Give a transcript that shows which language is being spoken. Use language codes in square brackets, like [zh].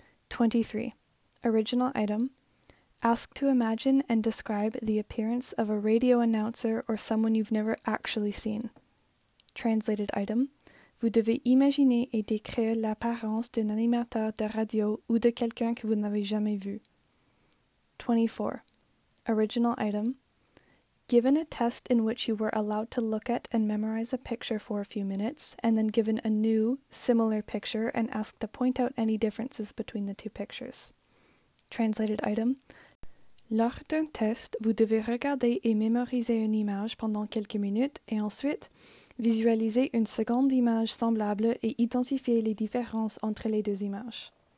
[en] 23. Original item. Ask to imagine and describe the appearance of a radio announcer or someone you've never actually seen. Translated item. [fr] Vous devez imaginer et décrire l'apparence d'un animateur de radio ou de quelqu'un que vous n'avez jamais vu. [en] 24. Original item. Given a test in which you were allowed to look at and memorize a picture for a few minutes, and then given a new, similar picture and asked to point out any differences between the two pictures. Translated item. [fr] Lors d'un test, vous devez regarder et mémoriser une image pendant quelques minutes et ensuite visualiser une seconde image semblable et identifier les différences entre les deux images.